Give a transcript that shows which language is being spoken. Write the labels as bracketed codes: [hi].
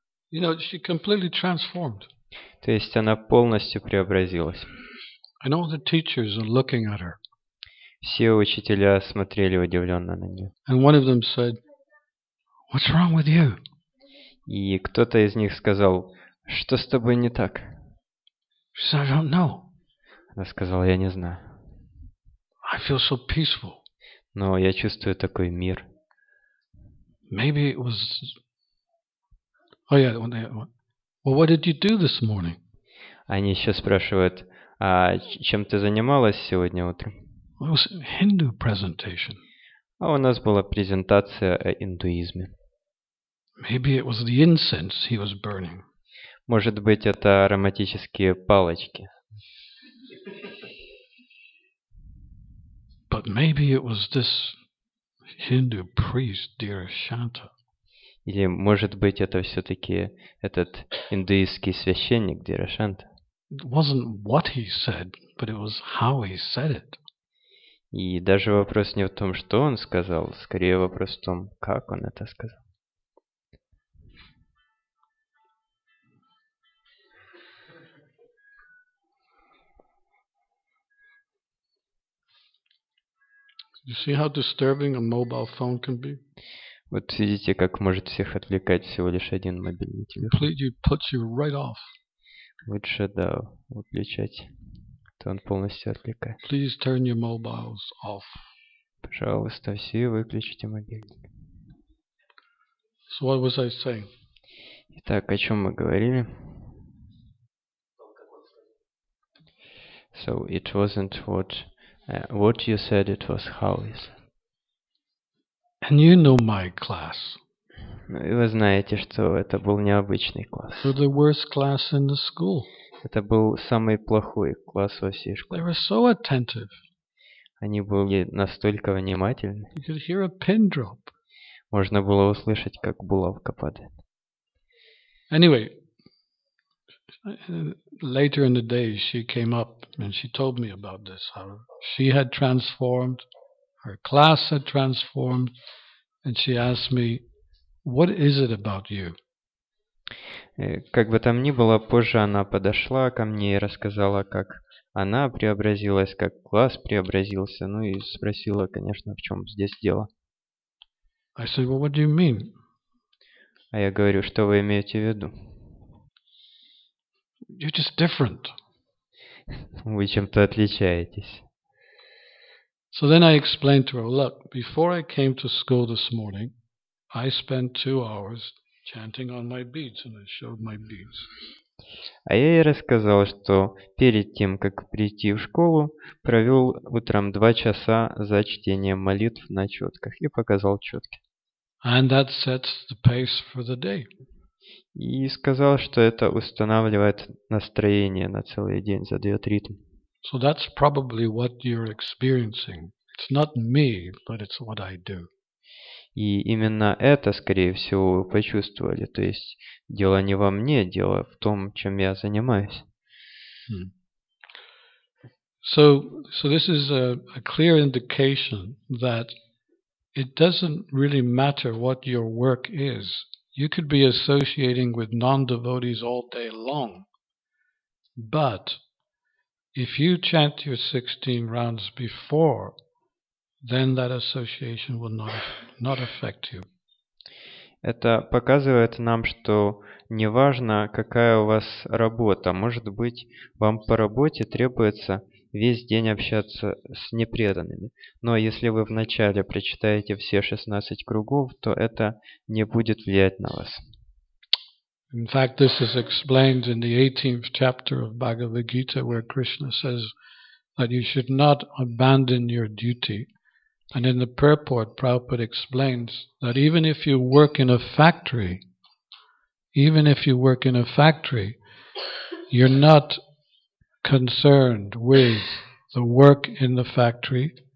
[en] You know, she completely transformed. [ru] То есть она полностью преобразилась. [en] And all the teachers are looking at her. [ru] Все учителя смотрели удивленно на нее. [en] And one of them said, "What's wrong with you?" [ru] И кто-то из них сказал, что с тобой не так? [en] She said, "I don't know." [ru] Она сказала, я не знаю. [en] I feel so peaceful. [ru] Но я чувствую такой мир. [en] Maybe it was... Oh yeah, well, what did you do this morning? [ru] Они еще спрашивают, а чем ты занималась сегодня утром? [en] It was a Hindu presentation. [ru] А у нас была презентация о индуизме. [en] Maybe it was the incense he was burning. [ru] Может быть, это ароматические палочки. [en] But maybe it was this Hindu priest, Dhirashanta. [ru] Или, может быть, это все-таки этот индуистский священник Дирашанта. [en] It wasn't what he said, but it was how he said it. [ru] И даже вопрос не в том, что он сказал, скорее вопрос в том, как он это сказал. [en] You see how disturbing a mobile phone can be? [ru] Вот видите, как может всех отвлекать всего лишь один мобильный телефон. Лучше, да, выключать. То он полностью отвлекает. [en] Please turn your mobiles off. [ru] Пожалуйста, все выключите мобильник. [en] So what was I saying? [ru] Итак, о чем мы говорили? [en] So it wasn't what you said, it was how is. And you know my class. [ru] Ну, и вы знаете, что это был необычный класс. [en] So the worst class in the school. [ru] Это был самый плохой класс во всей школе. [en] They were so attentive. [ru] Они были настолько внимательны. [en] You could hear a pin drop. [ru] Можно было услышать, как булавка падает. [en] Anyway, later in the day she came up and she told me about this, how she had transformed. Her class had transformed, and she asked me, "What is it about you?" [ru] Как бы там ни было, позже она подошла ко мне и рассказала, как она преобразилась, как класс преобразился. Ну и спросила, конечно, в чем здесь дело. [en] I said, "Well, what do you mean?" [ru] А я говорю, что вы имеете в виду? [en] You're just different. [ru] Вы чем-то отличаетесь. [en] So then I explained to her, look, before I came to school this morning, I spent 2 hours chanting on my beads, and I showed my beads. [ru] А я ей рассказал, что перед тем, как прийти в школу, провел утром 2 часа за чтением молитв на четках и показал четки. [en] And that sets the pace for the day. [ru] И сказал, что это устанавливает настроение на целый день, задает ритм. [en] So that's probably what you're experiencing. It's not me, but it's what I do. [ru] И именно это, скорее всего, вы почувствовали. То есть дело не во мне, дело в том, чем я занимаюсь. Hmm. [en] So this is a clear indication that it doesn't really matter what your work is. You could be associating with non-devotees all day long, but if you chant your 16 rounds before, then that association will not affect you. [ru] Это показывает нам, что неважно, какая у вас работа, может быть, вам по работе требуется весь день общаться с непреданными. Но если вы вначале прочитаете все 16 кругов, то это не будет влиять на вас. [en] In fact, this is explained in the 18th chapter of Bhagavad Gita, where Krishna says that you should not abandon your duty. And in the purport, Prabhupada explains that even if you work in a factory, you're not concerned with the work in the factory.